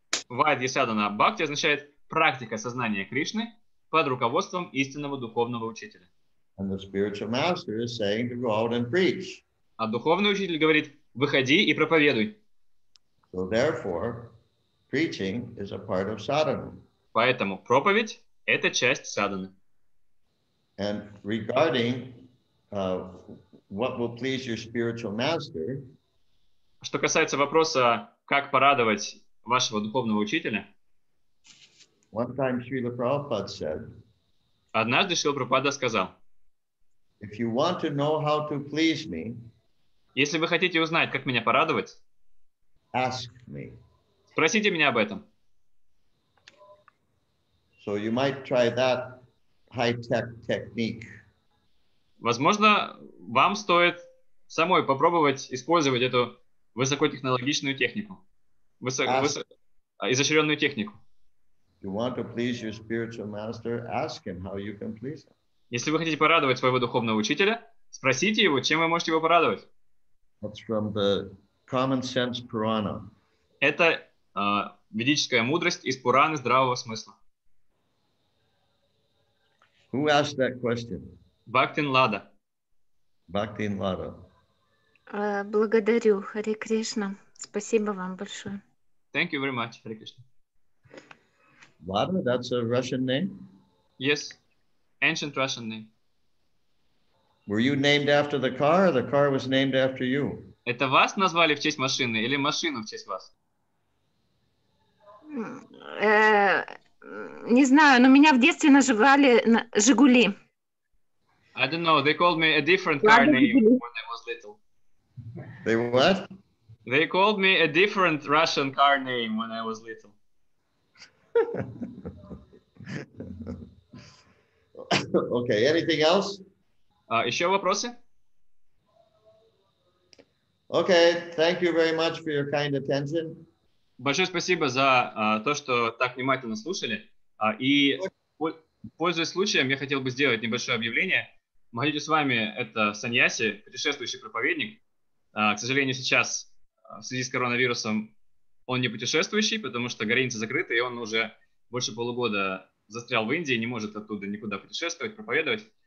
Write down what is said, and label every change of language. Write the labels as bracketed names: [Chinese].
[Russian] Vaidhi Sadhana Bhakti означает практика сознания Кришны под руководством истинного духовного учителя. [English] And the spiritual master is saying to go out and preach. [Russian] А духовный учитель говорит, выходи и проповедуй. [English] So therefore, preaching is a part of sadhana. [Russian] Поэтому проповедь – это часть садханы. [English] And regarding what will please your spiritual master, [Russian] что касается вопроса, как порадовать вашего духовного учителя, [English] one time Srila Prabhupada said, [Russian] однажды Шрила Прабхупада сказал, [English] if you want to know how to please me, [Russian] если вы хотите узнать, как меня порадовать, [English] ask me. [Russian] Спросите меня об этом. [English] So you might try that high-tech technique. [Russian] Возможно, вам стоит самой попробовать использовать эту высокотехнологичную технику. Изощренную технику. [English] You want to please your spiritual master, ask him how you can please him. [Russian] Если вы хотите порадовать своего духовного учителя, спросите его, чем вы можете его порадовать. [English] That's from the Common sense Purana. [Russian] Это ведическая мудрость из Пураны здравого смысла. [English] Who asked that question? [Russian] Бхактин Лада. Бхактин Лада. Благодарю, Хари Кришна. Спасибо вам большое. [English] Thank you very much, Хари Кришна. Лада, that's a Russian name? Yes, ancient Russian name. Were you named after the car, or the car was named after you? [Russian] Это вас назвали в честь машины или машину в честь вас? Не знаю, но меня в детстве называли Жигули. [English] I don't know, they called me a different car name when I was little. They what? They called me a different Russian car name when I was little. Okay, anything else? [Russian] Еще вопросы? [English] Okay, thank you very much for your kind attention. [Russian] Большое спасибо за то, что так внимательно слушали. И пользуясь случаем, я хотел бы сделать небольшое объявление. Махадити Свами — это саньяси, путешествующий проповедник. К сожалению, сейчас в связи с коронавирусом он не путешествующий, потому что границы закрыты, и он уже больше полугода застрял в Индии, не может оттуда никуда путешествовать, проповедовать.